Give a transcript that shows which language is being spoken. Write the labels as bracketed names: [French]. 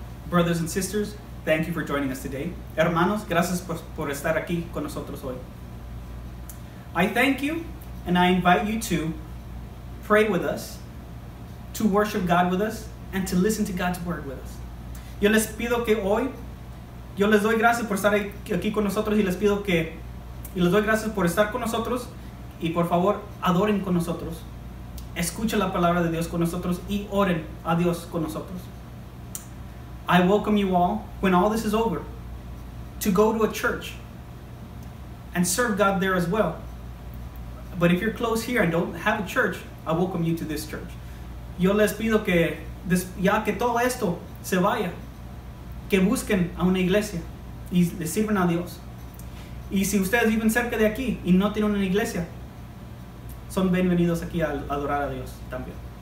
[English] Brothers and sisters, thank you for joining us today. [Spanish] Hermanos, gracias por estar aquí con nosotros hoy. [English] I thank you, and I invite you to pray with us, to worship God with us, and to listen to God's word with us. [Spanish] Yo les pido que hoy, yo les doy gracias por estar aquí con nosotros, y les pido que, y les doy gracias por estar con nosotros, y por favor, adoren con nosotros. Escuchen la palabra de Dios con nosotros, y oren a Dios con nosotros. [English] I welcome you all, when all this is over, to go to a church and serve God there as well. But if you're close here and don't have a church, I welcome you to this church. [Spanish] Yo les pido que, ya que todo esto se vaya, que busquen a una iglesia y le sirven a Dios. Y si ustedes viven cerca de aquí y no tienen una iglesia, son bienvenidos aquí a adorar a Dios también.